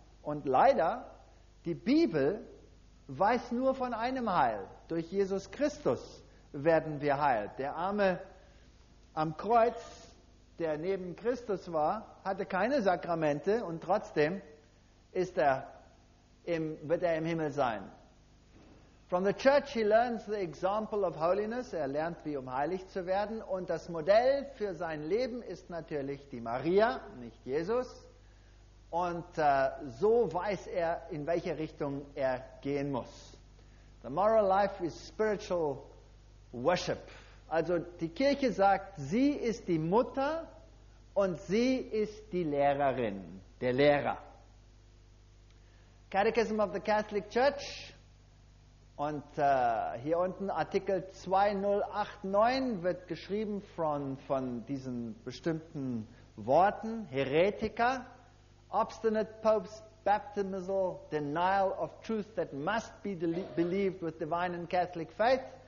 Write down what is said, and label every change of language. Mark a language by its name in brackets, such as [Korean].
[German] Und leider, die Bibel weiß nur von einem Heil, durch Jesus Christus werden wir heil. Der Arme am Kreuz, der neben Christus war, hatte keine Sakramente und trotzdem wird er im Himmel sein. [English] From the church he learns the example of holiness. [German] Er lernt, wie heilig zu werden. Und das Modell für sein Leben ist natürlich die Maria, nicht Jesus. Und so weiß er, in welche Richtung er gehen muss. [English] The moral life is spiritual worship. [German] Also die Kirche sagt, sie ist die Mutter und sie ist die Lehrerin, der Lehrer. [English] Catechism of the Catholic Church [German] und hier unten Artikel 2089 wird geschrieben von diesen bestimmten Worten, Heretiker, [English] obstinate popes, baptismal denial of truth that must be believed with divine and Catholic faith.